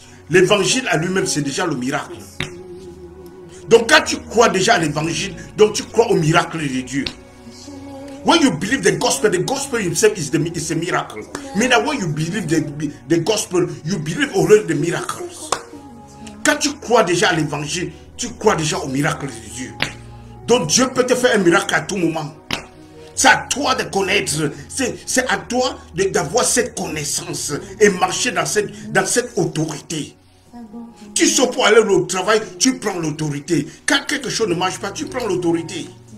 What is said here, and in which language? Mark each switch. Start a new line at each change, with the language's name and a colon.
French: L'évangile à lui-même, c'est déjà le miracle. Donc quand tu crois déjà à l'évangile, donc tu crois au miracle de Dieu.
English: When you believe the gospel itself is a miracle. Meaning when you believe the gospel, you believe already the miracles.
French: Quand tu crois déjà à l'évangile, tu crois déjà au miracle de Dieu. Donc Dieu peut te faire un miracle à tout moment. C'est à toi de connaître, c'est à toi d'avoir cette connaissance et marcher dans cette autorité. Tu sors pour aller au travail, tu prends l'autorité. Quand quelque chose ne marche pas, tu prends l'autorité.